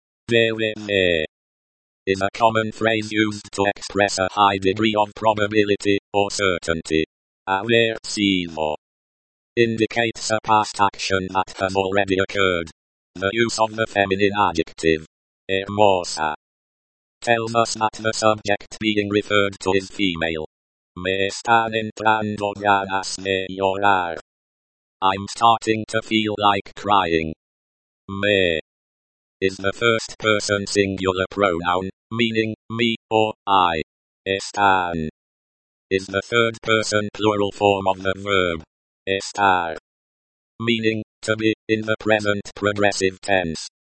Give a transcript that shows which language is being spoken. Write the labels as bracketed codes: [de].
[es] Debe de [en] is a common phrase used to express a high degree of probability or certainty. [es] Haber sido [en] indicates a past action that has already occurred. The use of the feminine adjective hermosa tells us that the subject being referred to is female. [es] Me están entrando ganas de llorar. [en] I'm starting to feel like crying. Me is the first person singular pronoun, meaning me or I. Están is the third person plural form of the verb estar, meaning to be in the present progressive tense.